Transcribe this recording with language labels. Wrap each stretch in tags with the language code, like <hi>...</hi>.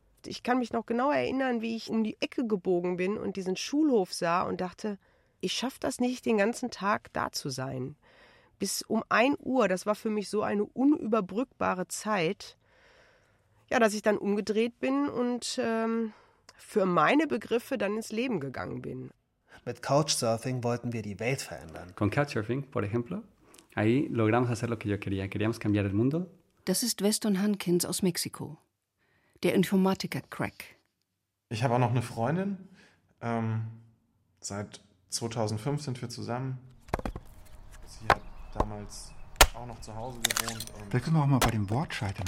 <de>Ich kann mich noch genau erinnern, wie ich um die Ecke gebogen bin und diesen Schulhof sah und dachte, ich schaffe das nicht, den ganzen Tag da zu sein. Bis um 1 Uhr, das war für mich so eine unüberbrückbare Zeit, ja, dass ich dann umgedreht bin und für meine Begriffe dann ins Leben gegangen bin. Mit Couchsurfing wollten wir die Welt verändern.</de> <es>Con Couchsurfing, por ejemplo, ahí logramos hacer lo que yo quería. Queríamos cambiar el mundo.</es> <de>Das ist Weston Hankins aus Mexiko, der Informatiker-Crack. Ich habe auch noch eine Freundin. Seit 2005 sind wir zusammen. Sie hat damals auch noch zu Hause gewohnt. Vielleicht können wir auch mal bei dem Wort scheitern.</de>